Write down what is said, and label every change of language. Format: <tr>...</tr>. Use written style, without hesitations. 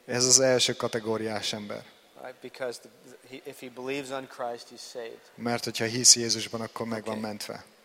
<hu>Ez az első kategóriás ember.</hu> <en>Right? Because if he believes on Christ, he's saved.</en> <hu>Mert hogyha hisz Jézusban, akkor meg van mentve.</hu>